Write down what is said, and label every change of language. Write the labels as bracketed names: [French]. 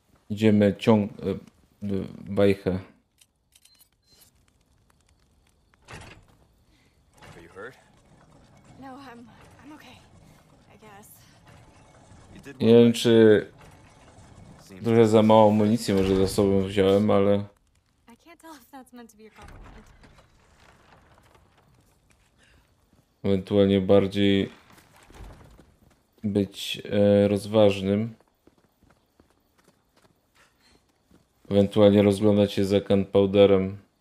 [Polish] Idziemy ciąg bajchę. [English] Are you hurt? No, I'm okay. I guess. [Polish] Nie wiem, czy trochę za mało amunicji może za sobą wziąłem, ale [English] I can't tell if that's meant to be a compliment. [Polish] Ewentualnie bardziej być rozważnym. Ewentualnie rozglądać się za gunpowderem.